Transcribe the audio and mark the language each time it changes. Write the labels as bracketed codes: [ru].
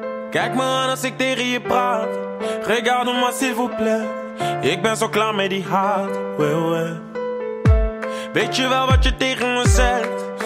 [nl] Kijk me aan als ik tegen je praat. [fr] Regarde moi s'il vous plaît. [nl] Ik ben zo klaar met die haat. [fr] Ouais, ouais. [nl] Weet je wel wat je tegen me zegt?